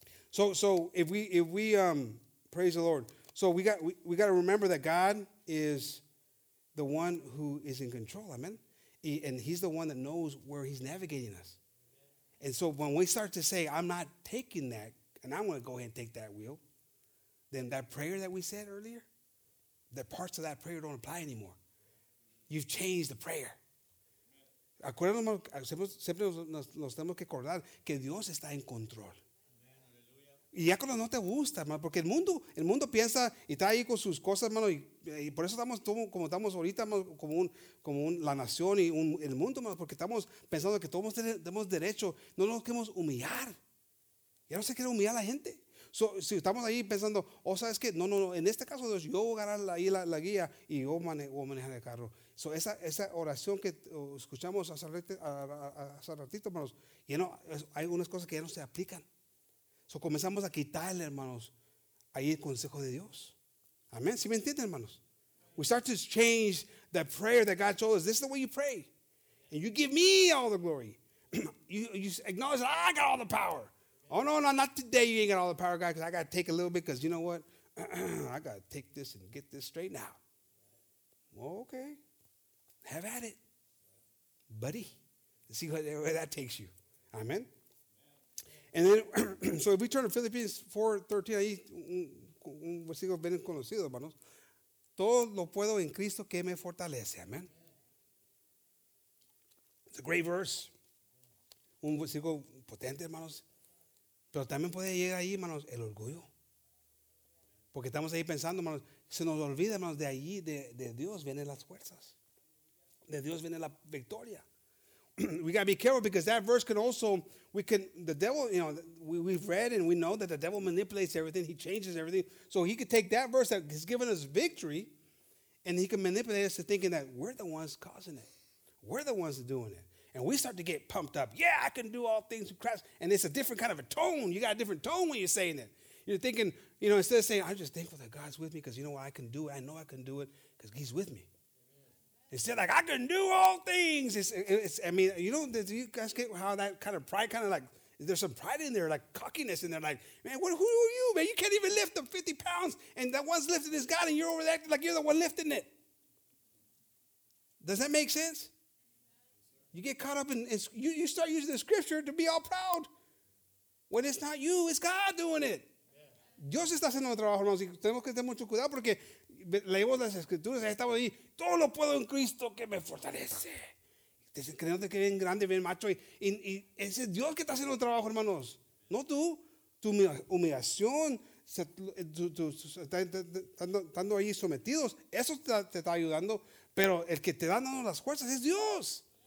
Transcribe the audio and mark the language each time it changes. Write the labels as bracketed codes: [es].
[en] So if we praise the Lord. So we got to remember that God is the one who is in control. Amen. And he's the one that knows where he's navigating us. And so when we start to say, I'm not taking that, and I'm going to go ahead and take that wheel, then that prayer that we said earlier, the parts of that prayer don't apply anymore. You've changed the prayer. [es] Acuérdanos, siempre nos tenemos que acordar que Dios está en control. Y ya cuando no te gusta, hermano, porque el mundo piensa y está ahí con sus cosas, hermano, y por eso estamos todo, como estamos ahorita, hermano, como la nación y el mundo, hermano, porque estamos pensando que todos tenemos derecho, no nos queremos humillar. Ya no se quiere humillar a la gente. So, si estamos ahí pensando, sabes que, no, en este caso, Dios, yo voy a ganar ahí la guía y yo voy a manejar el carro. So, esa oración que escuchamos hace ratito, hermanos, ya no, hay unas cosas que ya no se aplican. So, comenzamos a quitarle, hermanos, ahí el consejo de Dios. Amén. ¿Sí me entienden, hermanos? [en] We start to change the prayer that God told us. This is the way you pray. And you give me all the glory. You acknowledge that I got all the power. Oh, no, not today you ain't got all the power, God, because I got to take a little bit because you know what? I got to take this and get this straight now. Well, okay. Have at it, buddy. Let's see where that takes you. Amen. And then, so if we turn to Philippians 4:13, [es] ahí un versículo bien conocido, hermanos. Todo lo puedo en Cristo que me fortalece. Amen. [en] It's a great verse. [es] Un versículo potente, hermanos. Pero también puede llegar ahí, hermanos, el orgullo. Porque estamos ahí pensando, hermanos, se nos olvida, hermanos, de allí, de Dios vienen las fuerzas. De Dios viene la victoria. [en] We got to be careful because that verse can also, the devil, you know, we've read and we know that the devil manipulates everything. He changes everything. So he could take that verse that has given us victory and he can manipulate us to thinking that we're the ones causing it. We're the ones doing it. And we start to get pumped up. Yeah, I can do all things with Christ. And it's a different kind of a tone. You got a different tone when you're saying it. You're thinking, you know, instead of saying, I'm just thankful that God's with me because you know what, I can do it. I know I can do it because he's with me. Instead, like, I can do all things. You guys get how that kind of pride, kind of like, there's some pride in there, like cockiness in there. Like, man, who are you, man? You can't even lift the 50 pounds, and that one's lifting is God, and you're over there like you're the one lifting it. Does that make sense? You get caught up in, you start using the scripture to be all proud. When it's not you, it's God doing it. [es] Dios está haciendo el trabajo, hermanos, y tenemos que tener mucho cuidado porque leemos las escrituras, ahí estamos ahí, todo lo puedo en Cristo que me fortalece. Creyéndote que bien grande, bien macho, y ese es Dios que está haciendo el trabajo, hermanos, no tú. Tu humillación, estando ahí sometidos, eso te está ayudando, pero el que te da dando las fuerzas es Dios.